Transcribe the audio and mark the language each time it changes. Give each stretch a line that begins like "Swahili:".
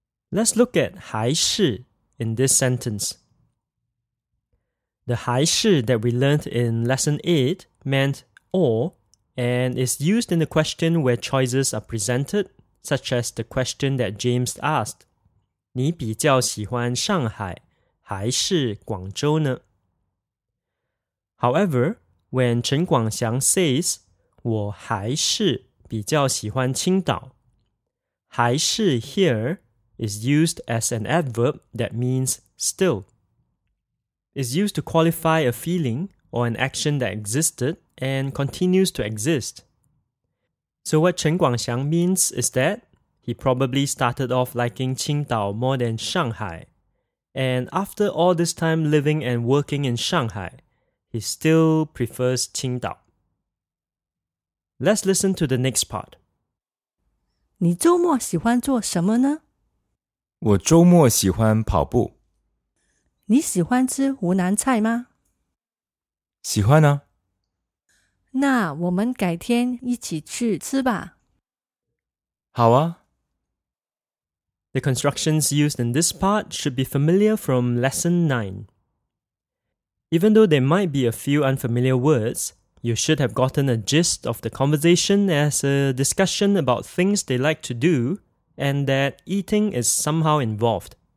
English: Let's look at 还是 in this sentence. The 还是 that we learned in Lesson 8 meant or and is used in the question where choices are presented, such as the question that James asked.
Chinese: 你比较喜欢上海还是广州呢?
English: However,when 陈广祥says,
Chinese: 我还是比较喜欢青岛,
English: 还是 here is used as an adverb that means still. It's used to qualify a feeling or an action that existed and continues to exist. So what 陈广祥means is that he probably started off liking 青岛 more than Shanghai, and after all this time living and working in Shanghai,he still prefers 青岛。 Let's listen to the next part.
Chinese: 你周末喜欢做什么呢？我周末喜欢跑步。你喜欢吃湖南菜吗？喜欢呢。那我们改天一起去吃吧。好啊。
English: The constructions used in this part should be familiar from Lesson 9. Even though there might be a few unfamiliar words, you should have gotten a gist of the conversation as a discussion about things they like to do and that eating is somehow involved.